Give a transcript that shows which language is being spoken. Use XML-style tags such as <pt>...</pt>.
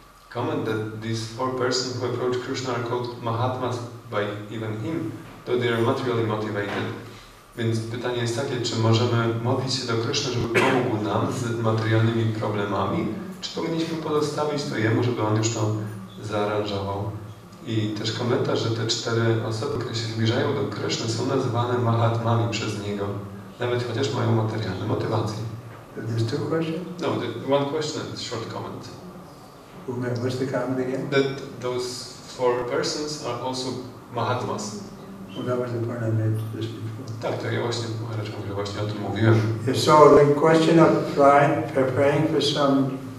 <en>Comment that these four persons who approach Krishna are called Mahatmas by even him, though they are materially motivated.</en> <pl>Więc pytanie jest takie, czy możemy modlić się do Krishna, żeby pomógł nam z materialnymi problemami, czy powinniśmy pozostawić to jemu, żeby on już to zaaranżował? I też komentarz, że te cztery osoby, które się zbliżają do Kryszny, są nazywane Mahatmami przez niego, nawet chociaż mają materialne motywacje.</pl> <en>There's two questions? No, one question and short comment. What's the comment again? That those four persons are also Mahatmas. Well, that was the point I made just before.</en> <pl>Tak, to ja właśnie, Maharaj mówił, właśnie o tym mówiłem.</pl> <en>Yeah, so the question of trying, preparing for some</en>